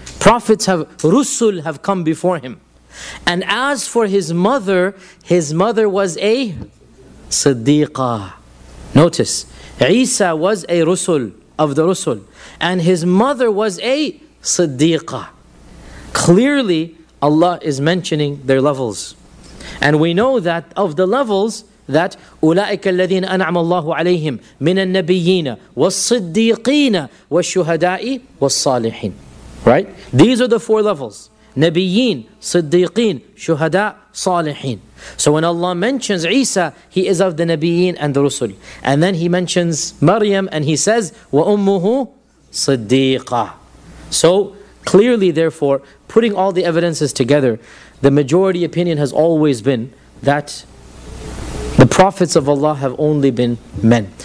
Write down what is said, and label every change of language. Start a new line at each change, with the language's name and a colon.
English: Prophets have, Rusul have come before him. And as for his mother was a Siddiqa. Notice, Isa was a Rusul of the Rusul, and his mother was a Siddiqa. Clearly, Allah is mentioning their levels. And we know that of the levels, that
Arabic: أُولَٰئِكَ الَّذِينَ أَنْعَمَ اللَّهُ عَلَيْهِمْ مِنَ النَّبِيِّينَ وَالصِّدِّيقِينَ وَالشُّهَدَاءِ وَالصَّالِحِينَ.
English: Right? These are the four levels.
Arabic: نَبِيِّين, صِدِّيقِين, شُهَدَاء, صَالِحِينَ.
English: So when Allah mentions Isa, he is of the Nabiyeen and the Rusul. And then he mentions Maryam and he says,
Arabic: وَأُمُّهُ صِدِّيقًا.
English: So clearly, therefore, putting all the evidences together, the majority opinion has always been that the prophets of Allah have only been men.